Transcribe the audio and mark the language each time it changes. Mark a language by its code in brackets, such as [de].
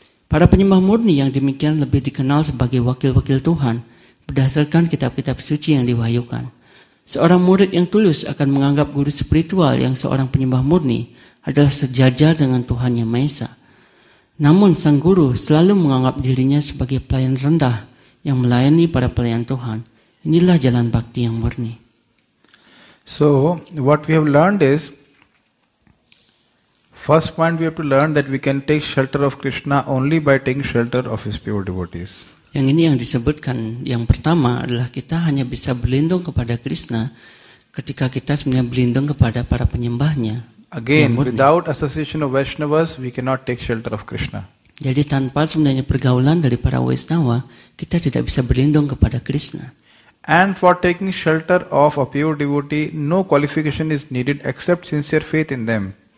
[id] Para penyembah murni yang demikian lebih dikenal sebagai wakil-wakil Tuhan berdasarkan kitab-kitab suci yang diwahyukan. Seorang murid yang tulus akan menganggap guru spiritual yang seorang penyembah murni adalah sejajar dengan Tuhan Yang Maha Esa. Namun sang guru selalu menganggap dirinya sebagai pelayan rendah yang melayani para pelayan Tuhan. Inilah jalan bakti yang murni. [en] So, what we have learned is, first point we have to learn that we can take shelter of Krishna only by taking shelter of His pure devotees. [id] Yang ini yang disebutkan, yang pertama adalah kita hanya bisa berlindung kepada Krishna ketika kita sebenarnya berlindung kepada para penyembahnya. [en] Again, without association of Vaishnavas, we cannot take shelter of Krishna. [id] Jadi tanpa sebenarnya pergaulan dari para Vaishnava, kita tidak bisa berlindung kepada Krishna. [en] And for taking shelter of a pure devotee, no qualification is needed except sincere faith in them.